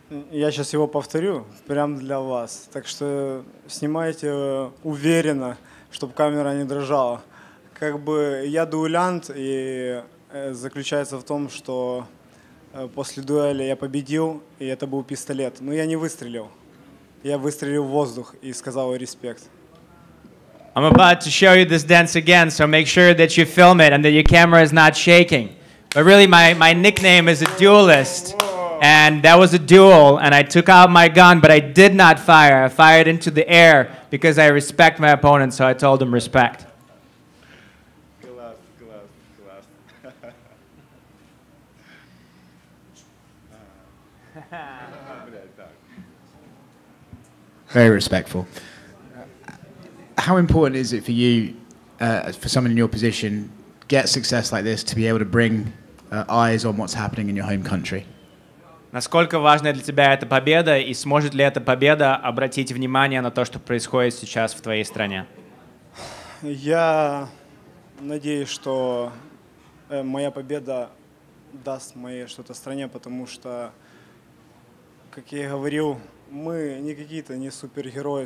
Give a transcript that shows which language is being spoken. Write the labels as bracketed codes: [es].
[ru] Я сейчас его повторю прямо для вас. Так что снимайте уверенно, чтобы камера не дрожала. Я дуэлянт, и заключается в том, что после дуэли я победил, и это был пистолет. Но я не выстрелил. Я выстрелил в воздух и сказал респект. [en] I'm about to show you this dance again, so make sure that you film it and that your camera is not shaking. But really, my nickname is a duelist. And that was a duel, and I took out my gun, but I did not fire. I fired into the air because I respect my opponent, so I told him respect. [ru] Класс. [en] Very respectful. How important is it for you, for someone in your position, get success like this to be able to bring eyes on what's happening in your home country? [ru] Насколько важна для тебя эта победа, и сможет ли эта победа обратить внимание на то, что происходит сейчас в твоей стране? Я надеюсь, что моя победа даст моей что-то стране, потому что, как я и говорил, мы не какие-то не супергерои.